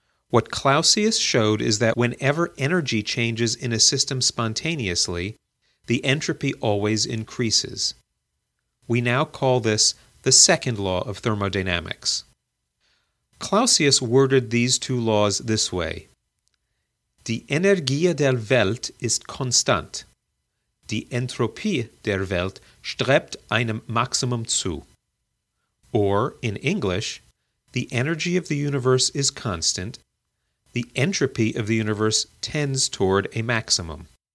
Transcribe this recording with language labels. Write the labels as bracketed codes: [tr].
[en] What Clausius showed is that whenever energy changes in a system spontaneously, the entropy always increases. We now call this the second law of thermodynamics. Clausius worded these two laws this way. [de] Die Energie der Welt ist konstant. Die Entropie der Welt strebt einem Maximum zu. [en] Or, in English, the energy of the universe is constant. The entropy of the universe tends toward a maximum.